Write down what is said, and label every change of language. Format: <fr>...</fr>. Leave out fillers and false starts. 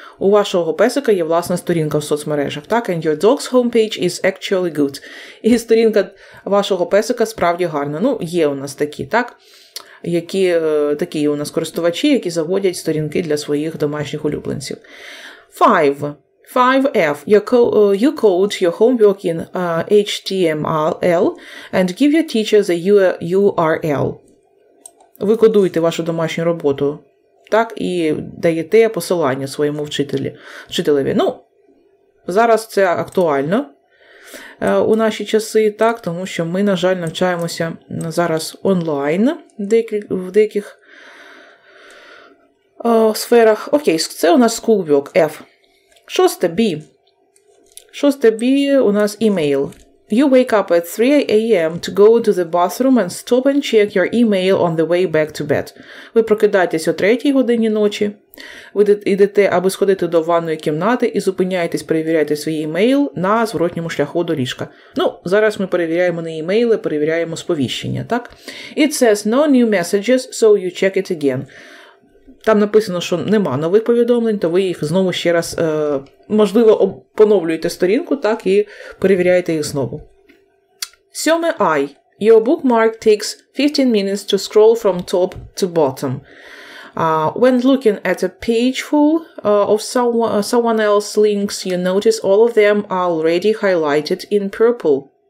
<uk>У вашого песика є власна сторінка в соцмережах, так?</uk> <en>And your dog's homepage is actually good.</en> <uk>І сторінка вашого песика справді гарна. Ну, є у нас такі, так? Які такі у нас користувачі, які заводять сторінки для своїх домашніх улюбленців.</uk> <en>Five. 5F. You code your homework in HTML and give your teacher the URL.</en> <uk>Ви кодуєте вашу домашню роботу, так, і даєте посилання своєму вчителеві. Ну, зараз це актуально у наші часи, так, тому що ми, на жаль, навчаємося зараз онлайн в деяких сферах. Окей, це у нас schoolwork, F. Шосте, B. Шосте, B у нас email.</uk> <en>You wake up at 3 a.m. to go to the bathroom and stop and check your email on the way back to bed.</en> <uk>Ви прокидаєтесь о 3 годині ночі, ви йдете, аби сходити до ванної кімнати і зупиняєтесь перевіряти свій email на зворотньому шляху до ліжка. Ну, зараз ми перевіряємо не email, а перевіряємо сповіщення, так?</uk> <en>It says no new messages, so you check it again.</en> <uk>Там написано, що нема нових повідомлень, то ви їх знову ще раз, можливо, поновлюєте сторінку, так, і перевіряєте їх знову. Сьоме, I.</uk> <en>Your bookmark takes 15 minutes to scroll from top to bottom. When looking at a page full of someone else's links, you notice all of them are already highlighted in purple.</en>